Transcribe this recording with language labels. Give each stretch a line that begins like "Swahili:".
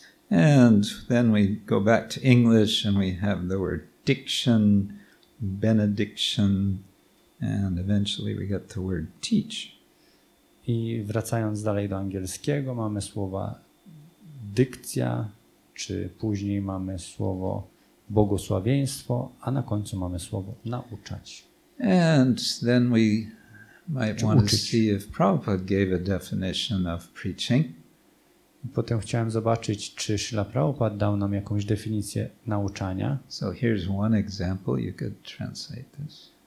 English: And then we go back to English and we have the word diction, benediction, and eventually we get the word teach.
Polish: I wracając dalej do angielskiego, mamy słowa dykcja, czy później mamy słowo błogosławieństwo, a na końcu mamy słowo nauczać.
English: And then we might want to see if Prabhupada gave a definition of preaching.
Polish: Potem chciałem zobaczyć, czy Śrila Prabhupada dał nam jakąś definicję nauczania.
English: So here's one example, you could translate this.